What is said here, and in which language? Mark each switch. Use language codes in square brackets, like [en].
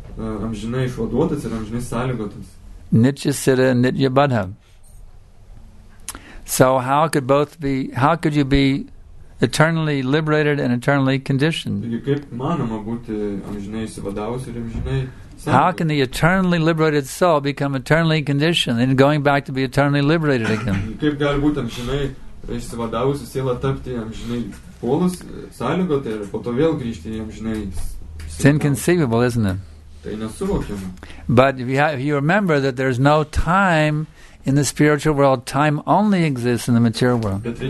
[lt] Amžinai išvaduotas ir amžinai sąlygotas. [sa] Nitya siddha, nitya buddha. [en] So how could you be eternally liberated and eternally conditioned? [lt] Taigi kaip manoma būti amžinai išsivadavus ir amžinai sąlygotas? [en] How can the eternally liberated soul become eternally conditioned and going back to be eternally liberated again? [lt] Kaip gali būti amžinai išsivadavus ir siela tapti amžinai polus sąlygotai ir po to vėl grįžti į amžinai [en] It's inconceivable, isn't it? But you remember that there's no time in the spiritual world. Time only exists in the material world.